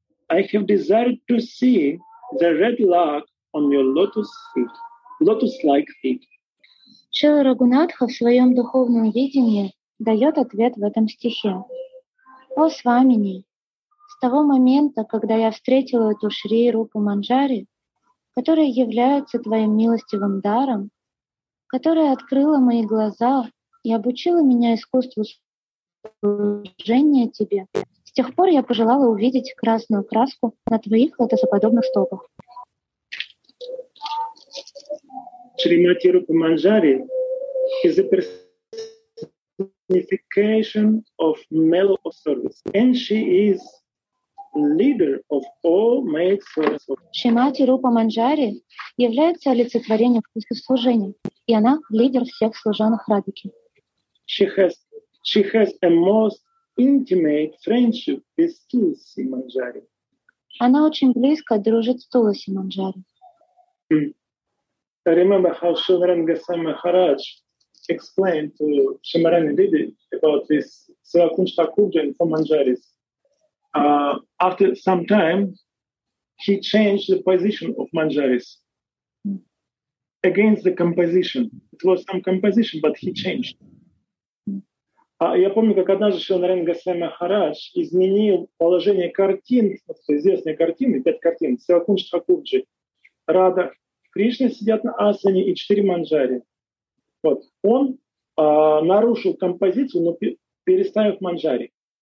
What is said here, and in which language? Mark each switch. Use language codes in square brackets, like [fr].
[en] I have desired to see the red lark on your lotus feet, lotus-like feet. [ru] Шрила Рагунатха в своем духовном видении дает ответ в этом стихе. О Свамини, с того момента, когда я встретила эту Шри Рупу Манджари, которая является твоим милостивым даром, которая открыла мои глаза и обучила меня искусству служения тебе, с тех пор я пожелала увидеть красную краску на твоих лотосоподобных стопах. [en] Шримати Рупа Манджари is a personification of mellow of service, and she is leader of all male servants. [ru] Шримати Рупа Манджари является олицетворением вкуса служения, и она лидер всех служанок Радхики. [en] She has a most intimate friendship with Tulsi Manjari. [ru] Она очень близко дружит с Тулси Манджари. [en] I remember how Shivaranga Goswami Maharaj explained to Shimarani Didi about this Sevakunj Thakurji for Manjaris. After some time, he changed the position of Manjaris against the composition. It was some composition, but he changed. [ru] Я помню, как однажды Шивананда Госвами Махарадж изменил положение картин, известные картины, пять картин, Севакунж Тхакурджи, Рада, Кришна сидят на асане и четыре манджари. Вот. Он нарушил композицию, но переставив манджари.